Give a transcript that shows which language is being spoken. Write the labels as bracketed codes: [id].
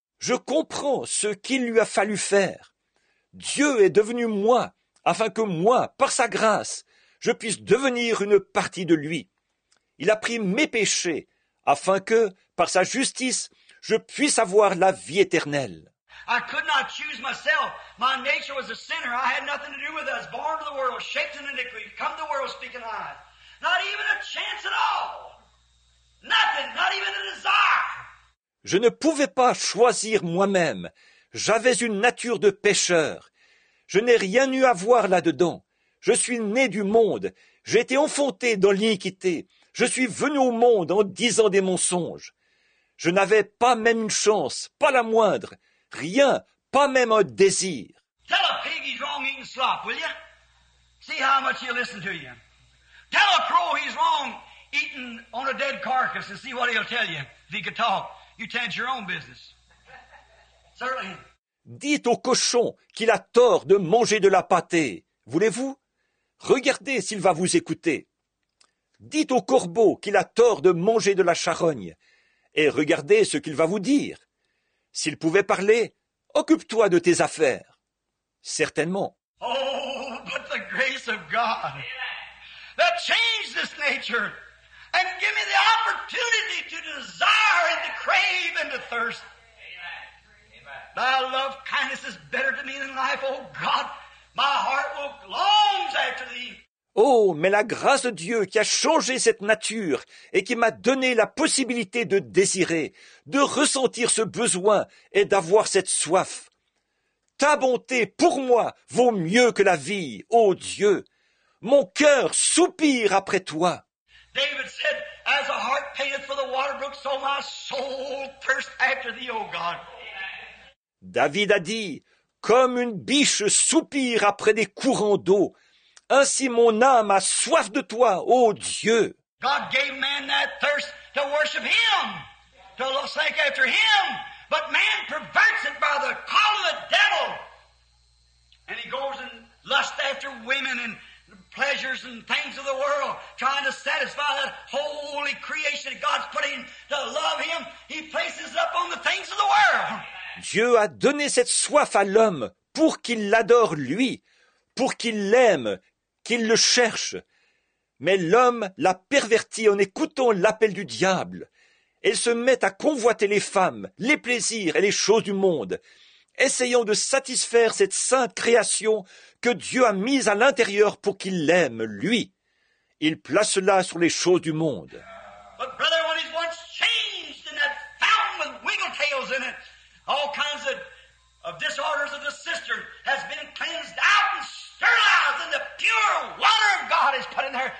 [fr] Je comprends ce qu'il lui a fallu faire. Dieu est devenu moi afin que moi, par sa grâce, je puisse devenir une partie de lui. Il a pris mes péchés, afin que, par sa justice, je puisse avoir la vie éternelle. [en] I could not choose myself. My nature was a sinner. I had nothing to do with us. Born to the world, shaped in iniquity, come to the world speaking lies. Not even a chance at all. Nothing, not even a desire. [fr] Je ne pouvais pas choisir moi-même. J'avais une nature de pécheur. Je n'ai rien eu à voir là-dedans. Je suis né du monde. J'ai été enfanté dans l'iniquité. Je suis venu au monde en disant des mensonges. Je n'avais pas même une chance, pas la moindre. Rien, pas même un désir. [en] Tell a pig he's wrong eating slop, will you? See how much he'll listen to you. Tell a crow he's wrong eating on a dead carcass and see what he'll tell you. If he could talk, you tend your own business. Certainly. [fr] Dites au cochon qu'il a tort de manger de la pâtée. Voulez-vous? Regardez s'il va vous écouter. Dites au corbeau qu'il a tort de manger de la charogne. Et regardez ce qu'il va vous dire. S'il pouvait parler, occupe-toi de tes affaires. Certainement. [en] Oh, but the grace of God that changed this nature and give me the opportunity to desire and to crave and to thirst. Thy love kindness is better to me than life, oh God. My heart will long after thee. [fr] Oh, mais la grâce de Dieu qui a changé cette nature et qui m'a donné la possibilité de désirer, de ressentir ce besoin et d'avoir cette soif. Ta bonté pour moi vaut mieux que la vie, ô Dieu. Mon cœur soupire après toi. [en] David said, as a heart panteth for the water brook, so my soul thirsts after thee, O God. [fr] David a dit, comme une biche soupire après des courants d'eau, ainsi mon âme a soif de toi, ô Dieu. [en] God gave man that thirst to worship him, to seek after him, but man perverts it by the call of the devil. And he goes and lusts after women and pleasures and things of the world, trying to satisfy that holy creation that God's put in to love him. He places it up on the things of the world. [fr] Dieu a donné cette soif à l'homme pour qu'il l'adore lui, pour qu'il l'aime, qu'il le cherche. Mais l'homme l'a perverti en écoutant l'appel du diable. Il se met à convoiter les femmes, les plaisirs et les choses du monde, essayant de satisfaire cette sainte création que Dieu a mise à l'intérieur pour qu'il l'aime, lui. Il place cela sur les choses du monde. [en] But brother, when he's once changed in that fountain with wiggle tails in it, all kinds of disorders of the cistern has been cleansed out and sterilized, and the pure water of God is put in there.